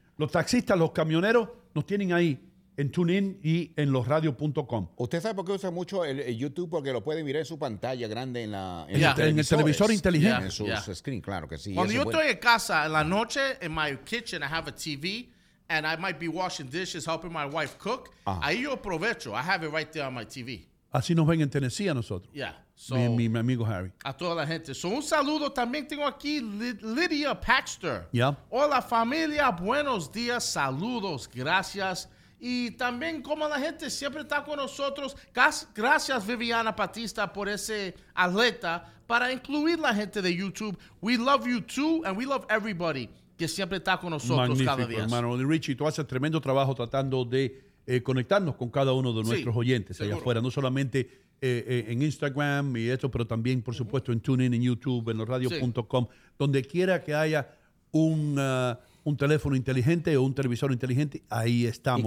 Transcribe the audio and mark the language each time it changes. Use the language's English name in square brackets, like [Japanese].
[Spanish] Los taxistas, los camioneros, nos tienen ahí en TuneIn y en losradio.com. ¿Usted sabe por qué usa mucho el YouTube? Porque lo puede mirar en su pantalla grande en la en el televisor inteligente. Yeah. En su screen, claro que sí. Cuando yo estoy en casa, en la noche, en [English] my kitchen, I have a TV. And I might be washing dishes, helping my wife cook. Uh-huh. [Spanish] Ahí yo aprovecho. [English] I have it right there on my TV. [Spanish] Así nos ven en Tennessee a nosotros. [English] Yeah. [Spanish] So, mi amigo Harry. A toda la gente. So, un saludo también tengo aquí Lydia Paxter. [English] Yeah. [Spanish] Hola, familia. Buenos días. Saludos. Gracias. Y también, como la gente siempre está con nosotros, gracias, Viviana Batista, por ese alerta para incluir la gente de YouTube. [English] We love you too, and we love everybody. [Spanish] Que siempre está con nosotros. Magnífico, cada día. Hermano. Richie, tú haces tremendo trabajo tratando de conectarnos con cada uno de nuestros oyentes, seguro. Allá afuera. No solamente en Instagram y esto, pero también, por supuesto, en TuneIn, en YouTube, en losradio.com, sí. Donde quiera que haya un teléfono inteligente o un televisor inteligente, ahí estamos.